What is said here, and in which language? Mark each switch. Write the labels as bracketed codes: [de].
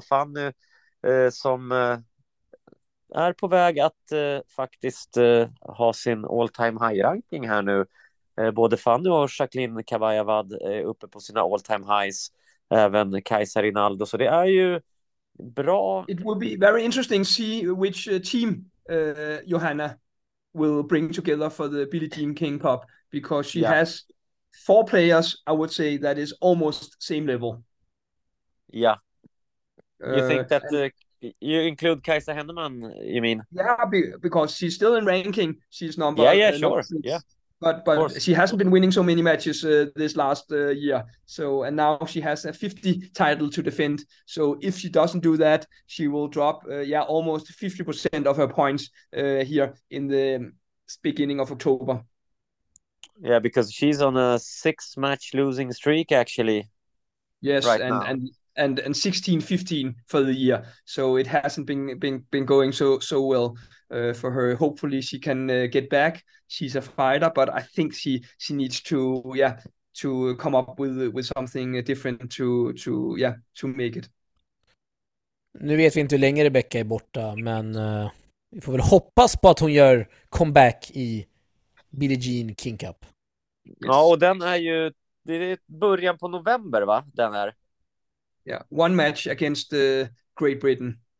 [sv] Och Fanns som är på väg att faktiskt ha sin all time high ranking här nu. Både Fanny och Jacqueline Kavajavad är uppe på sina all time highs, även Kajsa Rinaldo. Så det är ju bra. [en] It will be very interesting to see which team Johanna will bring together for the Billie Jean King Cup, because she [sv] Ja. [en] has four players, I would say, that is almost same level. [sv] Ja. [en] You think that you include Kajsa Henneman, you mean? Because she's still in ranking, she's Yeah, number sure. Yeah, six, of course. she hasn't been winning so many matches this last year. So, and now she has a 50 title to defend. So if she doesn't do that, she will drop almost 50% of her points here in the beginning of October. Yeah, because she's on a 6-match losing streak, actually, Yes, right now. and 16-15 for the year. So it hasn't been going so well for her. Hopefully she can get back. She's a fighter, but I think she needs to to come up with something different to make it. [sv] Nu vet vi inte hur länge Rebecca är borta, men vi får väl hoppas på att hon gör comeback i Billie Jean King Cup. Ja, och den är ju, det är början på november, va? Den här. [en] One match against Great Britain.